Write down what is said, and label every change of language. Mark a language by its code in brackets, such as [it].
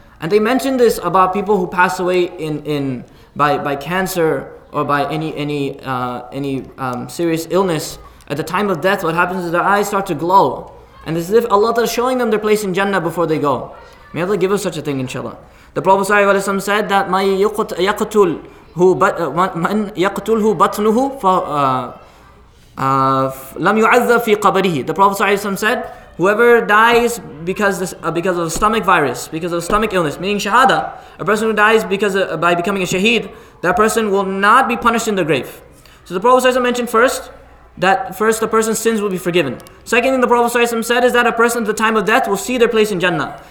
[en] And they mention this about people who pass away by cancer or by any serious illness. At the time of death, what happens is their eyes start to glow. And it's as if Allah is showing them their place in Jannah before they go. May Allah give us such a thing, inshallah. The Prophet ﷺ said that [ar] مَنْ يَقْتُلْهُ بَطْنُهُ فَلَمْ يُعَذَّ فِي قَبَرِهِ. [en] The Prophet ﷺ said, whoever dies because of a stomach virus, because of a stomach illness, meaning shahada, a person who dies by becoming a shaheed, that person will not be punished in the grave. So the Prophet ﷺ mentioned first, the person's sins will be forgiven. Second thing the Prophet ﷺ said is that a person at the time of death will see their place in Jannah.